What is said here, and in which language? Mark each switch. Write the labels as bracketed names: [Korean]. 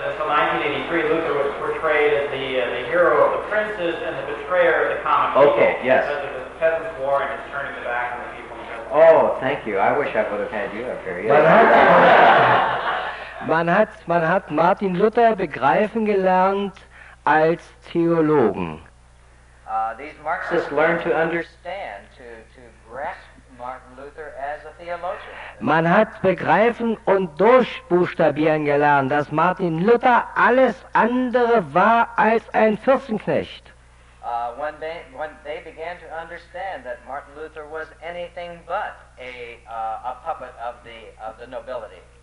[English] 1983, Luther was portrayed as the hero of the princes and the betrayer of the common people. Okay, yes. Because of the Peasants' War and his turning the back on the people. Oh, thank you. I wish I would have had you up here. Yes. [German] Man hat Martin Luther begreifen gelernt als Theologen. [English] These Marxists learned to understand, to grasp Martin Luther as a theologian. [German] Man hat begreifen und durchbuchstabieren gelernt, dass Martin Luther alles andere war als ein Fürstenknecht. [English] When they began to understand that Martin Luther was anything but a puppet of the nobility.